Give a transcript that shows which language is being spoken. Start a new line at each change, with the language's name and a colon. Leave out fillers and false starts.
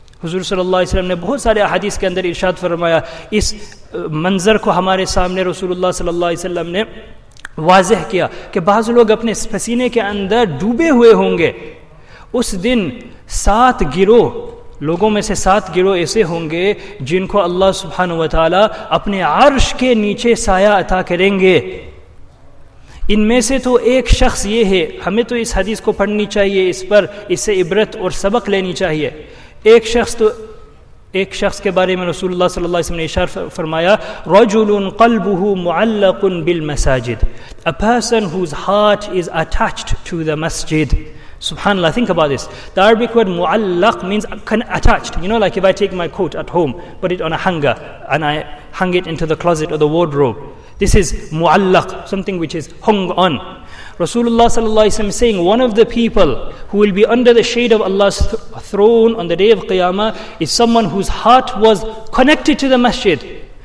Urdu: حضور صلی اللہ علیہ وسلم نے بہت سارے احادیث کے اندر ارشاد فرمایا, اس منظر کو ہمارے سامنے رسول اللہ صلی اللہ علیہ وسلم نے واضح کیا کہ بعض لوگ اپنے پسینے کے اندر ڈوبے ہوئے ہوں گے, اس دن سات گروہ لوگوں میں سے سات گروہ ایسے ہوں گے جن کو اللہ سبحانہ و تعالیٰ اپنے عرش کے نیچے سایہ عطا کریں گے. ان میں سے تو ایک شخص یہ ہے, ہمیں تو اس حدیث کو پڑھنی چاہیے, اس پر اس سے عبرت اور سبق لینی چاہیے. ایک شخص تو ایک شخص کے بارے میں رسول اللہ صلی اللہ علیہ وسلم نے اشارہ فرمایا,
Arabic: رجل قلبه معلق بالمساجد,
English: a person whose heart is attached to the masjid. Subhanallah, think about this. The Arabic word mu'allaq means attached. You know, like if I take my coat at home, put it on a hanger, and I hang it into the closet or the wardrobe. This is mu'allaq, something which is hung on. Rasulullah sallallahu alayhi wa sallam is saying, one of the people who will be under the shade of Allah's throne on the day of Qiyamah is someone whose heart was connected to the masjid.